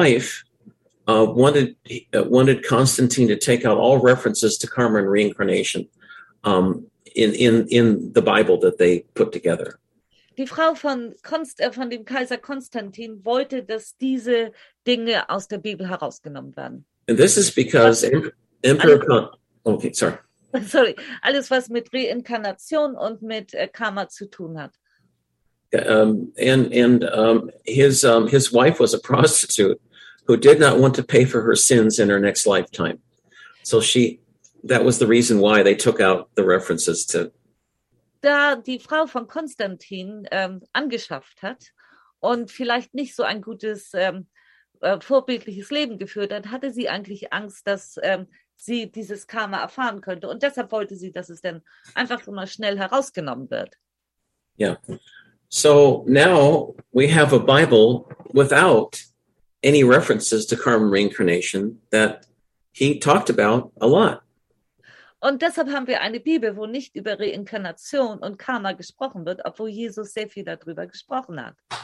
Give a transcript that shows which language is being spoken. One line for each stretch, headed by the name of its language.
English: His wife wanted Constantine to take out all references to karma and reincarnation in the Bible that they put together.
German: Die Frau von dem Kaiser Konstantin wollte, dass diese Dinge aus der Bibel herausgenommen werden.
English: And this is because
German: alles was mit Reinkarnation und mit Karma zu tun hat.
English: His wife was a prostitute who did not want to pay for her sins in her next lifetime. So she, that was the reason why they took out the references to.
German: Da die Frau von Konstantin angeschafft hat und vielleicht nicht so ein gutes vorbildliches Leben geführt hat, hatte sie eigentlich Angst, dass sie dieses Karma erfahren könnte. Und deshalb wollte sie, dass es dann einfach so mal schnell herausgenommen wird. Ja.
English: Yeah. So now we have a Bible without any references to karma reincarnation that he talked about a lot.
German: Und deshalb haben wir eine Bibel, wo nicht über Reinkarnation und Karma gesprochen wird, obwohl Jesus sehr viel darüber gesprochen hat.